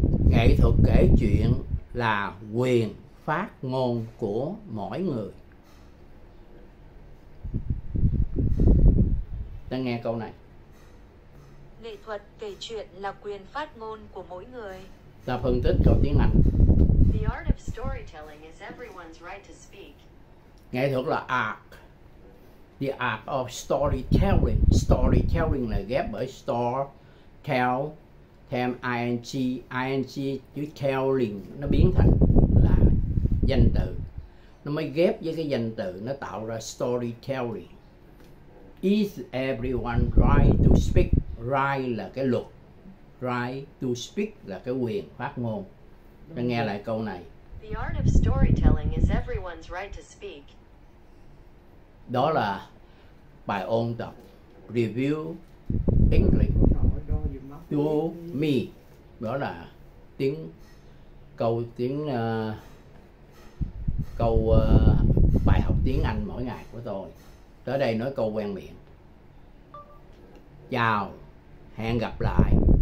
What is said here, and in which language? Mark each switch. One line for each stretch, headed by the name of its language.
Vietnamese: Nghệ thuật kể chuyện là quyền phát ngôn của mỗi người. Ta nghe câu này. Nghệ thuật kể chuyện là quyền phát ngôn của mỗi người. Ta phân tích câu tiếng Anh.
English: The art of storytelling is everyone's right to speak.
Vietnamese: Nghệ thuật là art.
English: The art of storytelling.
Vietnamese: Storytelling là ghép bởi store, tell, thêm ing, ing chữ telling nó biến thành là danh từ. Nó mới ghép với cái danh từ nó tạo ra storytelling.
English: Is everyone right to speak?
Vietnamese: Right là cái luật.
English: Right to speak
Vietnamese: là cái quyền phát ngôn. Ta nghe lại câu này.
English: The art of storytelling is everyone's right to speak.
Vietnamese: Đó là by on the review English to me. Đó là tiếng câu tiếng câu bài học tiếng Anh mỗi ngày của tôi. Tới đây nói câu quen miệng. Chào, hẹn gặp lại.